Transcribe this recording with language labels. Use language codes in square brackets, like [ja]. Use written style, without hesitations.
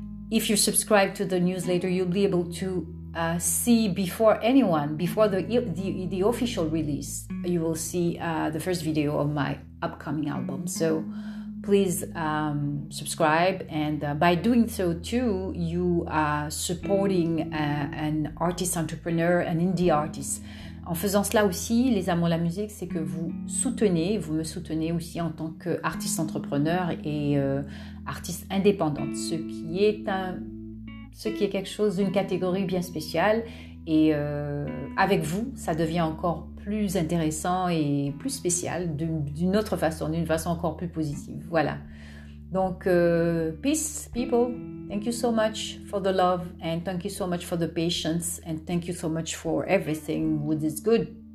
[en] If you subscribe to the newsletter, you'll be able to see before anyone, before the official release, you will see the first video of my upcoming album. So please subscribe. And by doing so too, you are supporting an artist entrepreneur, an indie artist. [fr] En faisant cela aussi, les amours de la musique, c'est que vous me soutenez aussi en tant qu'artiste entrepreneur et artiste indépendante, ce qui est quelque chose, une catégorie bien spéciale. Et avec vous, ça devient encore plus intéressant et plus spécial d'une autre façon, d'une façon encore plus positive. Voilà. Donc, [en] peace, people. Thank you so much for the love, and thank you so much for the patience, and thank you so much for everything with this good.